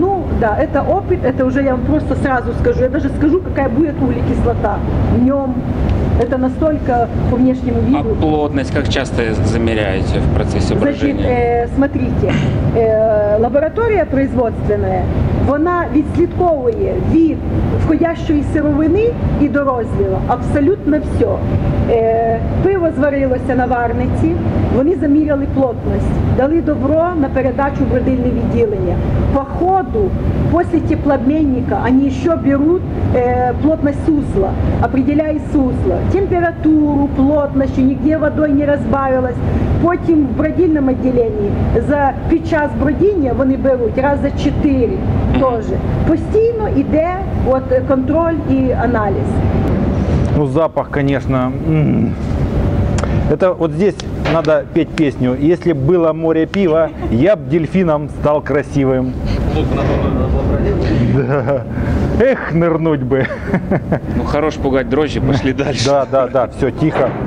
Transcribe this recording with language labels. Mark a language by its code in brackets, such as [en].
[ru] Ну, да, это опыт, это уже я вам просто сразу скажу. Я даже скажу, какая будет углекислота в нем. Это настолько по внешнему виду. А плотность как часто замеряете в процессе брожения? Значит, смотрите, лаборатория производственная, [uk] вона відслідковує від входящої сировини і до розліву абсолютно все. Пиво зварилося на варниці, вони заміряли плотність, дали добро на передачу в родильне відділення. По ходу, після теплообмінника, вони ще беруть плотність сусла, определяють сусло, температуру, плотність, що нігде водою не розбавилась. Потім в бродільному відділенні за під час бродіння вони беруть раз за 4. Постійно йде от контроль і аналіз. Ну, запах, звісно. [ru] Это вот здесь надо петь песню. Если б было море пива, я б дельфином стал красивым. Да. Эх, нырнуть бы. Ну, хорош пугать дрожжи, пошли дальше. Да, да, да, все, тихо.